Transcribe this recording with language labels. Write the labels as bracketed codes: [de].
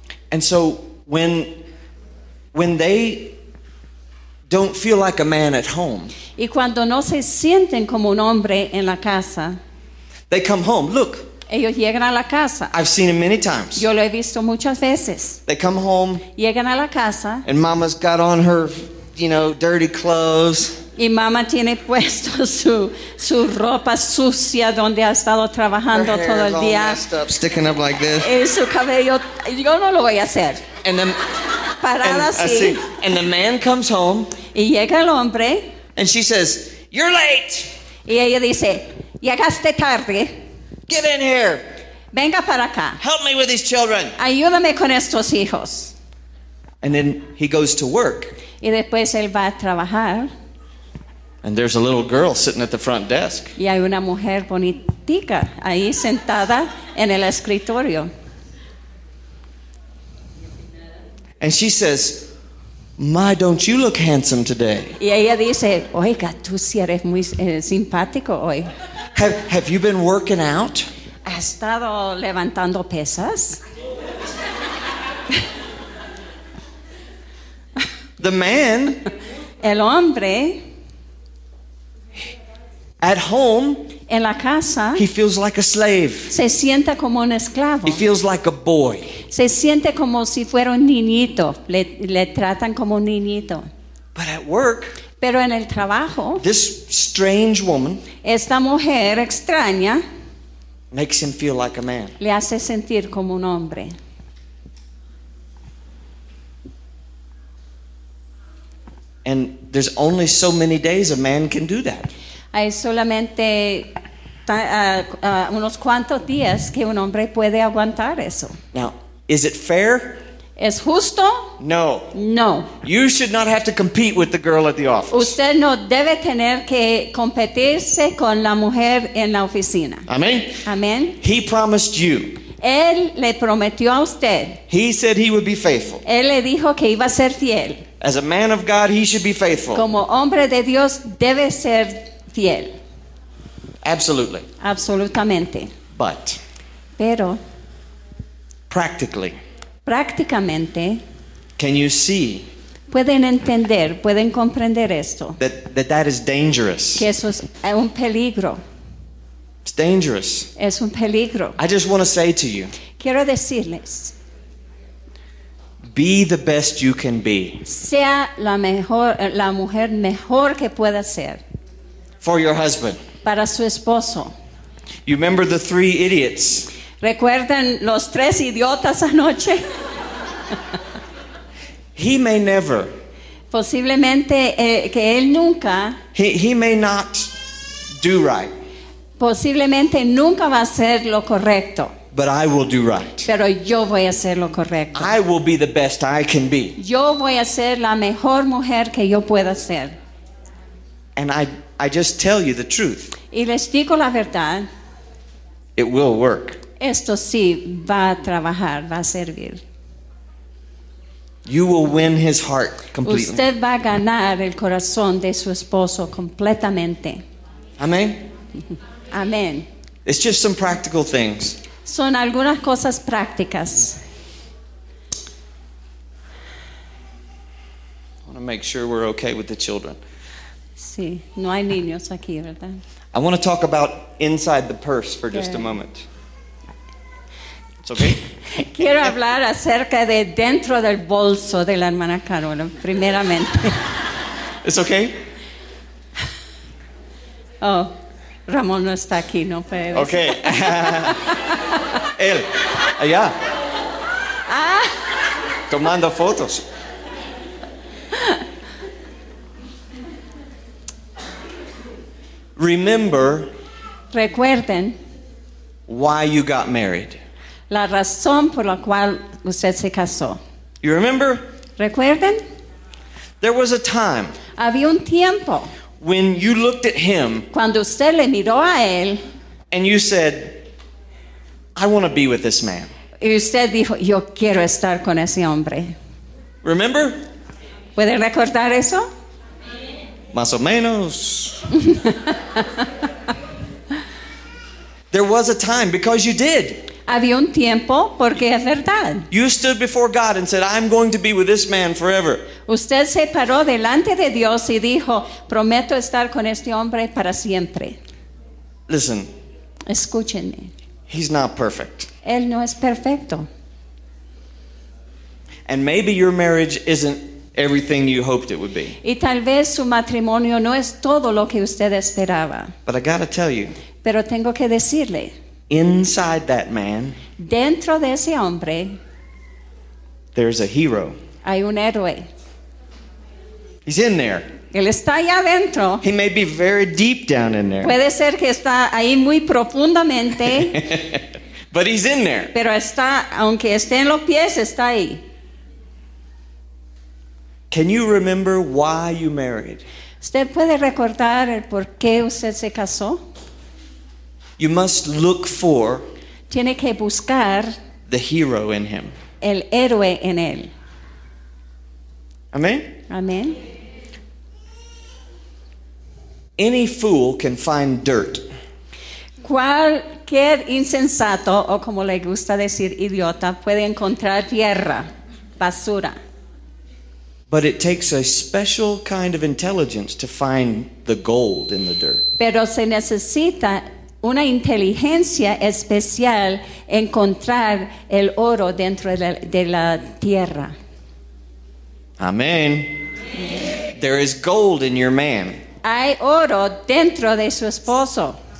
[en] And so when they don't feel like a man at home. [es] Y cuando no se sienten como un hombre en la casa. [en] They come home. Look. [es] Ellos llegan a la casa. [en] I've seen it many times. [es] Yo lo he visto muchas veces. [en] They come home. [es] Llegan a la casa. [en] And mama's got on her, you know, dirty clothes. [es] Y mamá tiene puesto su ropa sucia donde ha estado trabajando todo el día. [en] Her hair is all messed up, sticking up like this. [es] Y su cabello, yo no lo voy a hacer. [en] And then, [es] parada [en] and, [es] así. [en] And the man comes home. [es] Y llega el hombre. [en] And she says, "You're late." [es] Y ella dice, "Llegaste tarde." [en] Get in here. [es] Venga para acá. [en] Help me with these children. [es] Ayúdame con estos hijos. [en] And then he goes to work. [es] Y después él va a trabajar. [en] And there's a little girl sitting at the front desk. [es] Y hay una mujer bonitica ahí sentada en el escritorio. [en] And she says, "My, don't you look handsome today?" [es] Y ella dice, "Oiga, tú sí eres muy simpático hoy." [en] Have you been working out? [es] ¿Has estado levantando pesas? [en] The man. [es] El hombre. [en] At home, [es] en la casa, [en] he feels like a slave. [es] Se sienta como un esclavo. [en] He feels like a boy. [es] Se siente como si fuera un niñito. Le tratan como un niñito. [en] But at work, [es] pero en el trabajo, [en] this strange woman, [es] esta mujer extraña, [en] makes him feel like a man. [es] Le hace sentir como un hombre. [en] And there's only so many days a man can do that. [es] Hay solamente unos cuantos días que un hombre puede aguantar eso. [en] Now, is it fair? [es] ¿Es justo? [en] No. [es] No. [en] You should not have to compete with the girl at the office. [es] Usted no debe tener que competirse con la mujer en la oficina. [en] Amén. [es] Amén. [en] He promised you. [es] Él le prometió a usted. [en] He said he would be faithful. [es] Él le dijo que iba a ser fiel. [en] As a man of God, he should be faithful. [es] Como hombre de Dios, debe ser fiel. [en] Absolutely. [es] Absolutamente. [en] But. [es] Pero. [en] Practically. [es] Prácticamente. [en] Can you see? [es] Pueden entender, pueden comprender esto. [en] That is dangerous. [es] Que eso es un peligro. [en] It's dangerous. [es] Es un peligro. [en] I just want to say to you. [es] Quiero decirles. [en] Be the best you can be. [es] Sea la mujer mejor que pueda ser. [en] For your husband. [es] Para su esposo. [en] You remember the three idiots? [es] ¿Recuerdan los tres idiotas anoche? [en] He may never. [es] Posiblemente que él nunca. [en] He may not do right. [es] Posiblemente nunca va a ser lo correcto. [en] But I will do right. [es] Pero yo voy a hacer lo correcto. [en] I will be the best I can be. [es] Yo voy a ser la mejor mujer que yo pueda ser. [en] And I just tell you the truth. [es] Y les digo la verdad. [en] It will work. [es] Esto sí va a trabajar, va a servir. [en] You will win his heart completely. [es] Usted va a ganar el corazón de su esposo completamente. [en] Amén. [es] Amén. [en] It's just some practical things. [es] Son algunas cosas prácticas. [en] I want to make sure we're okay with the children. [es] Sí, no hay niños aquí, ¿verdad? [en] I want to talk about inside the purse for just a moment. Okay. [es] Quiero hablar acerca de dentro del bolso de la hermana Carola, primeramente. [en] It's okay. [es] Oh, Ramón no está aquí, no puede. Okay. Él, allá. Ah. Tomando fotos. [en] Remember. [es] Recuerden. [en] Why you got married. [es] La razón por la cual usted se casó. [en] You remember? [es] ¿Recuerden? [en] There was a time. [es] Había un tiempo. [en] When you looked at him. [es] Cuando usted le miró a él. [en] And you said, I want to be with this man. [es] Y usted dijo, yo quiero estar con ese hombre. [en] Remember? [es] ¿Puede recordar eso? Más o menos. [en] There was a time, because you did. [es] Había un tiempo porque es verdad. [en] You stood before God and said, I'm going to be with this man forever. [es] Usted se paró delante de Dios y dijo, prometo estar con este hombre para siempre. [en] Listen. [es] Escúchenme. [en] He's not perfect. [es] Él no es perfecto. [en] And maybe your marriage isn't everything you hoped it would be. [es] Y tal vez su matrimonio no es todo lo que usted esperaba. [en] But I gotta tell you. [es] Pero tengo que decirle. [en] Inside that man, [es] dentro de ese hombre, [en] there's a hero. [es] Hay un héroe. [en] He's in there. [es] Él está allá adentro. [en] He may be very deep down in there. [es] Puede ser que está ahí muy profundamente. [en] But he's in there. [es] Pero está, aunque esté en los pies, está ahí. [en] Can you remember why you married? [es] ¿Usted puede recordar el por qué usted se casó? [en] You must look for. [es] Tiene que buscar. [en] The hero in him. [es] El héroe en él. [en] Amen. [es] Amen. [en] Any fool can find dirt. [es] Cualquier insensato, o como le gusta decir, idiota, puede encontrar tierra, basura. [en] But it takes a special kind of intelligence to find the gold in the dirt. [es] Pero se necesita una inteligencia especial encontrar el oro dentro de la tierra. [en] Amén. There is gold in your man. [es] Hay oro dentro de su esposo.